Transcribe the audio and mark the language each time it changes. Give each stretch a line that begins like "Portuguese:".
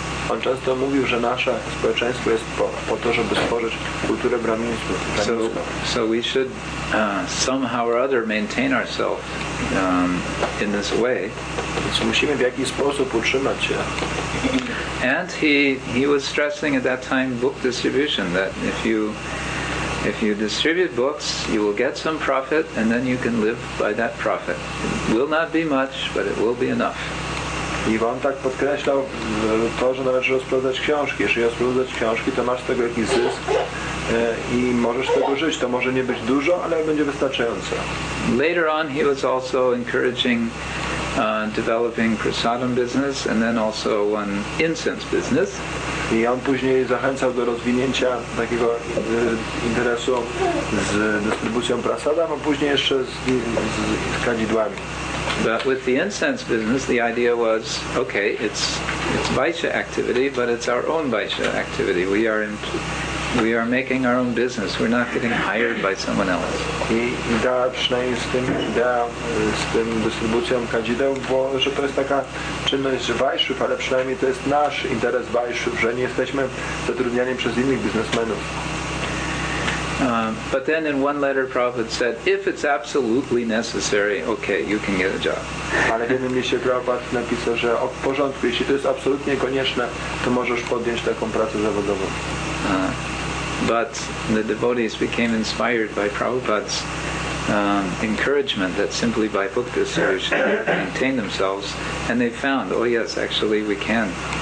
Polish: On często mówił, że nasze społeczeństwo jest po to, żeby stworzyć kulturę brahmińską.
English: So we should somehow or other maintain ourselves in this way.
Polish: Więc musimy w jakiś sposób utrzymać się.
English: And he was stressing at that time book distribution, that if you distribute books, you will get some profit, and then you can live by that profit. It will not be much, but it will be enough.
Polish: I on tak podkreślał to, że należy rozprowadzać książki. Jeżeli rozprowadzać książki, to masz z tego jakiś zysk i możesz z tego żyć. To może nie być dużo, ale będzie wystarczające.
English: Later on he was also encouraging developing prasadam business and then also an incense business.
Polish: I on później zachęcał do rozwinięcia takiego interesu z dystrybucją prasadam, a później jeszcze z kadzidłami.
English: But with the incense business, the idea was, okay, it's Vaishya activity, but it's our own Vaishya activity. We are making our own business. We're not getting hired by someone else.
Polish: I idea, przynajmniej z tym dystrybucją kadzideł, bo że to jest taka czynność Vaishyów, ale przynajmniej to jest nasz interes Vaishyów, że nie jesteśmy zatrudniani przez innych biznesmenów.
English: But then in one letter Prabhupada said, if it's absolutely necessary, okay, you can get a job.
Polish: Ale w jednym liście Prabhupada napisał, że w porządku, jeśli to jest absolutnie konieczne, to możesz podjąć taką pracę zawodową.
English: But the devotees became inspired by Prabhupada's encouragement that simply by book distribution they maintain themselves, and they found, oh yes, actually we can.